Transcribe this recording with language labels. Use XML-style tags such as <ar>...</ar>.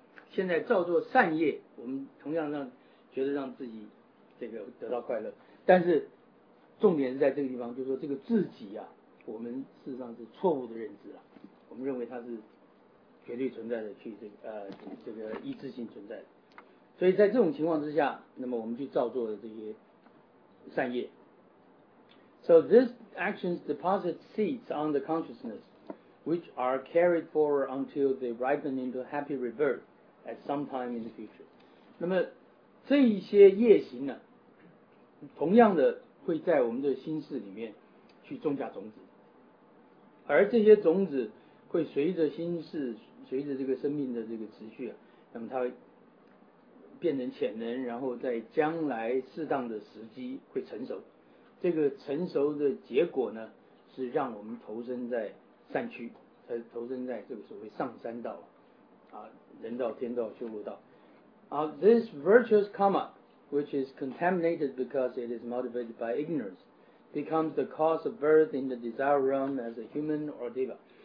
<zh>现在造作善业，我们同样觉得让自己这个得到快乐，但是重点是在这个地方，就是说这个自己啊，我们事实上是错误的认知啊，我们认为它是。绝对存在的去这个这个一致性存在的，所以在这种情况之下，那么我们去造作的这些善业。</zh> <en>So this actions deposit seeds on the consciousness, which are carried forward until they ripen into happy rebirth at some time in the future.</en> <zh>那么这一些业行呢，同样的会在我们的心识里面去种下种子，而这些种子会随着心识。随着这个生命的这个持续、啊、那么它会变成潜能，然后在将来适当的时机会成熟，这个成熟的结果呢，是让我们投身在善趣，投身在这个所谓上三道、啊、人道、天道、修罗道、</zh> <en>This virtuous karma which is contaminated because it is motivated by ignorance becomes the cause of birth in the desire realm as a human or deva。</en>